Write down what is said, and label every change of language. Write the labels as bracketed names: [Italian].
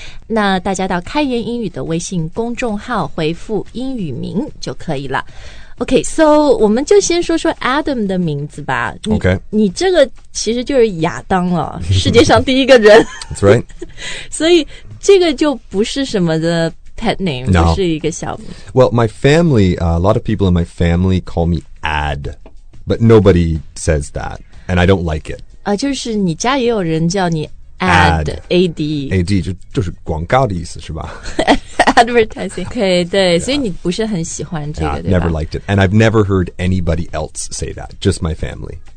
[Chinese] 那大家到开言英语的微信公众号回复英语名就可以了。 [English] OK, so [Chinese] 我们就先说说 Adam 的名字吧。 [English] OK, [Chinese] 你这个其实就是亚当了，世界上第一个人。 [English] That's right. [Chinese] 所以这个就不是什么的。 [English] Pet name, no. [Chinese] 就是一个小名。 [English] Well, my family,、a lot of people in my family call me Ad, but nobody says that, and I don't like it.、 [Chinese] 就是你家也有人叫你 Ad, A-D. A-D, 就是广告的意思是吧 [English] Advertising, okay, [Chinese] 对、 [English] yeah. [Chinese] 所以你不是很喜欢这个 [English] yeah, [Chinese] 对吧 [English] never liked it, and I've never heard anybody else say that, just my family.